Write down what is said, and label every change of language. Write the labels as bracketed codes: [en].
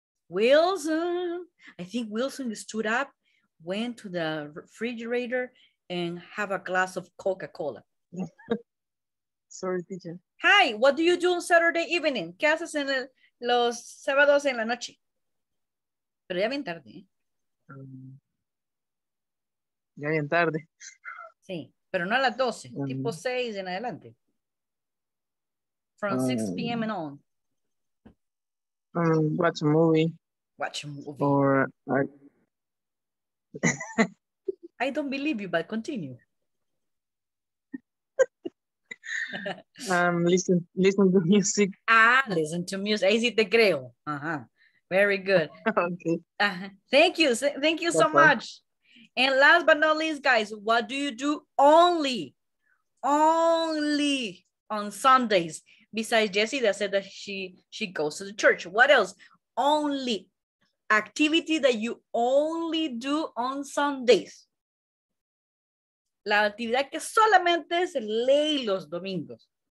[en] Wilson, I think Wilson stood up, went to the refrigerator, and have a glass of Coca-Cola. Sorry, teacher. Hi, what do you do on Saturday evening? [es] ¿Qué haces en el, los sábados en la noche? Pero ya bien tarde. Ya bien tarde. Sí, pero no a las 12, tipo 6 en adelante. [en] From 6 p.m. and on. Watch a movie. Watch a movie. Or I don't believe you, but continue. listen to music. Ah, listen to music. [es] Ahí sí te creo. [en] Very good. Okay. Thank you so much. And last but not least, guys, what do you do only on Sundays? Besides Jessie that said that she goes to the church. What else? Only activity that you only do on Sundays. [es] La actividad que solamente se lee los domingos.